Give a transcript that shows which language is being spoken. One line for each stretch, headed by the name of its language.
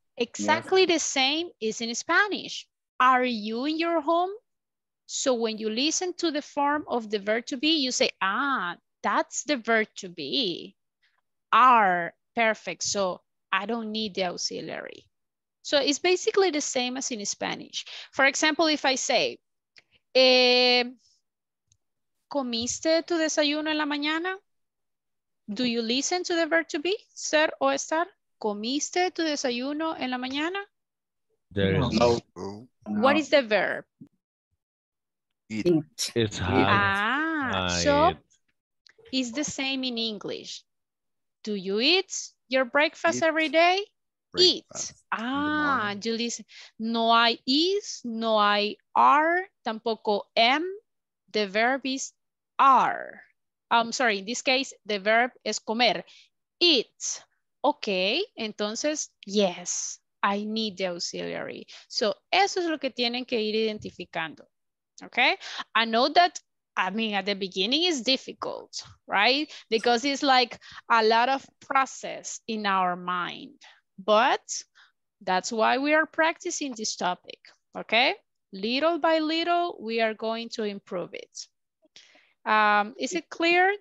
English: Exactly the same is in Spanish. Are you in your home? So when you listen to the form of the verb to be, you say, ah, that's the verb to be. Are, perfect. So I don't need the auxiliary. So it's basically the same as in Spanish. For example, if I say,
Spanish: ¿comiste tu desayuno en la mañana?
English: Do you listen to the verb to be,
Spanish: ser o estar? ¿Comiste tu desayuno en la mañana?
English: No. What is the verb? Eat. It's hot. It's the same in English. Do you eat your breakfast every day? Breakfast. Eat. You listen.
Spanish: No hay is, no hay are, tampoco am.
English: The verb is are. I'm sorry, in this case, the verb
Spanish: es comer.
English: Eat. Okay, entonces, yes, I need the auxiliary.
Spanish: So, eso es lo que tienen que ir identificando.
English: Okay, I know that, I mean, at the beginning is difficult, right? Because it's like a lot of process in our mind. But that's why we are practicing this topic. Okay, little by little, we are going to improve it. Is it clear?